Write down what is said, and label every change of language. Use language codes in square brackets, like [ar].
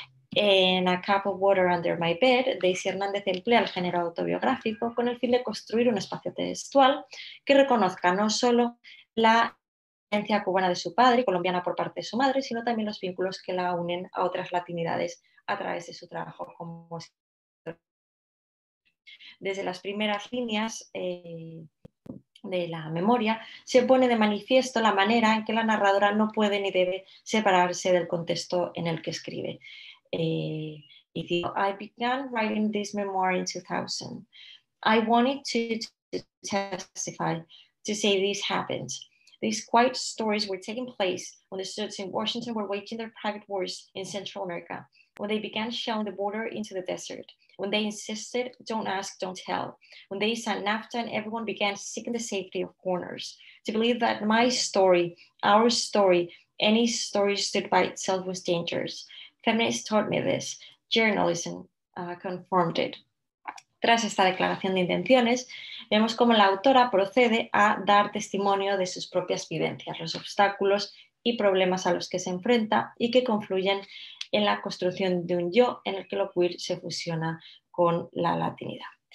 [es] En A Cup of Water Under My Bed, Daisy Hernández emplea el género autobiográfico con el fin de construir un espacio textual que reconozca no solo la herencia cubana de su padre y colombiana por parte de su madre, sino también los vínculos que la unen a otras latinidades a través de su trabajo como escritora. Desde las primeras líneas de la memoria, se pone de manifiesto la manera en que la narradora no puede ni debe separarse del contexto en el que escribe. [en] I began writing this memoir in 2000. I wanted to testify, to say this happened. These quiet stories were taking place when the students in Washington were waging their private wars in Central America, when they began shelling the border into the desert, when they insisted, don't ask, don't tell, when they signed NAFTA and everyone began seeking the safety of corners, to believe that my story, our story, any story stood by itself was dangerous. Feminists taught me this. Journalism confirmed it. [es] Tras esta declaración de intenciones, vemos cómo la autora procede a dar testimonio de sus propias vivencias, los obstáculos y problemas a los que se enfrenta y que confluyen en la construcción de un yo en el que lo queer se fusiona con la latinidad.